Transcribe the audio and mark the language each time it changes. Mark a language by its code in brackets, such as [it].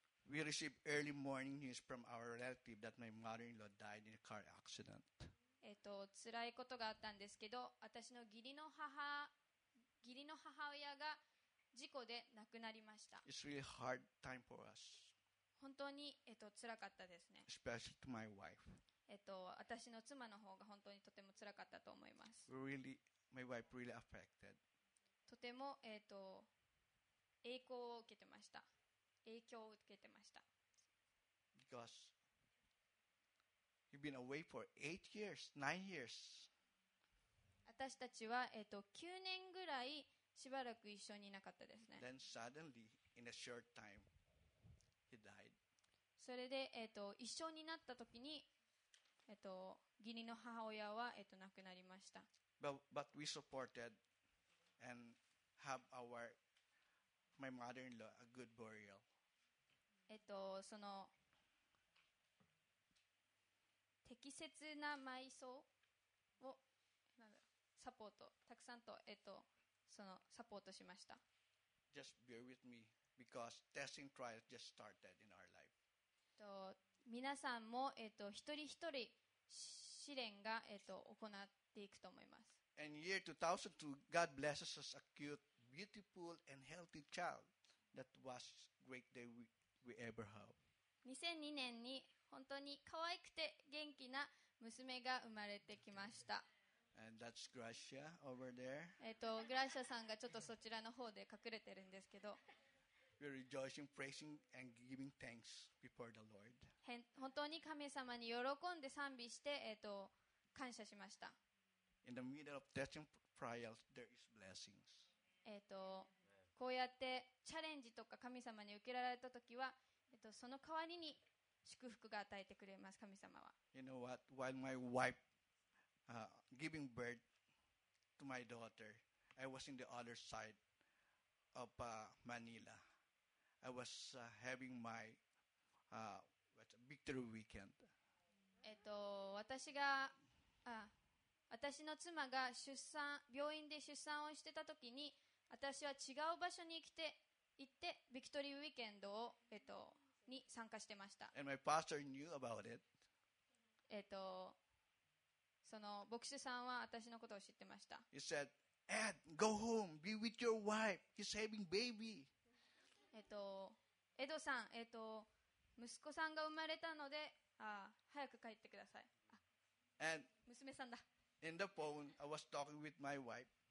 [en] We received early morning news from our relative that my mother-in-law died in a car accident. [ja] 辛いことがあったんですけど、私の義理の母親が事故で亡くなりました。 [en] It's really hard time for us. [ja] 本当に辛かったですね。 [en] Especially to my wife. [ja] 私の妻の方が本当にとても辛かったと思います。 [en] Really, my wife really affected. [ja] とても影響を受けてました。影響を受けてました。 [en] Because you've been away for 8 years, 9 years. [ja] 私たちは9年ぐらいしばらく一緒にいなかったですね。 [en] Then suddenly, in a short time, he died. [ja] それで一緒になった時に義理の母親は亡くなりました。 [en] But we supported and have our My mother-in-law, a good burial. [ja] その適切な埋葬をサポートたくさんとそのサポートしました。 [en] Just bear with me because testing trials just started in our life. [ja] 皆さんも一人一人試練が行っていくと思います。 [en] And year 2002, God blesses us a cute. Beautiful and healthy child. That was great day we ever have. [ja] 2002年に本当に可愛くて元気な娘が生まれてきました。 [en] And that's Gracia over there. [ja] Gracia さんがちょっとそちらの方で隠れてるんですけど。 [en] We're rejoicing, praising, and giving thanks before the Lord. [ja] 本当に神様に喜んで賛美して感謝しました。 [en] In the middle of testing trials, there is blessings. [ja] こうやってチャレンジとか神様に受けられたときは、その代わりに祝福が与えてくれます、神様は。 [en] You know what? While my wife giving birth to my daughter, I was in the other side of Manila. I was having my victory weekend. [ja] 私の妻が病院で出産をしてたときに、私は違う場所に行ってビクトリーウィーケンドを、に参加してました。 [en] And my pastor knew about it. [ja] その牧師さんは私のことを知ってました。 [en] He said, Ed, go home, be with your wife. He's having baby. [ja] エドさん、息子さんが生まれたので、早く帰ってください。 [en] And [ja] 娘さんだ。 [en] In the phone, I was talking with my wife.